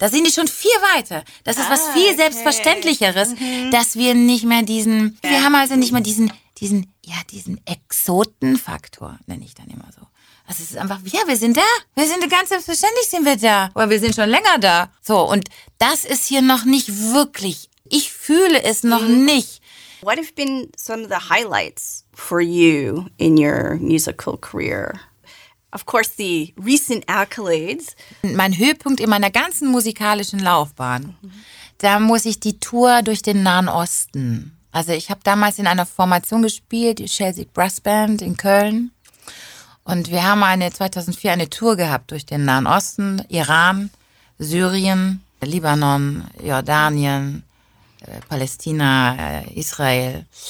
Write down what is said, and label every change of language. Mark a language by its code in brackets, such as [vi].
[de] Da sind die schon viel weiter. Das ist was viel Selbstverständlicheres, dass wir nicht mehr diesen, wir haben also nicht mehr diesen Exotenfaktor, nenne ich dann immer so. Also es ist einfach, ja, wir sind da. Wir sind ganz selbstverständlich sind wir da. Oder wir sind schon länger da. So, und das ist hier noch nicht wirklich, ich fühle es noch nicht. [en] What have been some of the highlights for you in your musical career? Of course, the recent accolades. [de] Mein Höhepunkt in meiner ganzen musikalischen Laufbahn, da muss ich die Tour durch den Nahen Osten. Also ich habe damals in einer Formation gespielt, die Chelsea Brass Band in Köln. Und wir haben 2004 eine Tour gehabt durch den Nahen Osten, Iran, Syrien, Libanon, Jordanien, Palästina, Israel.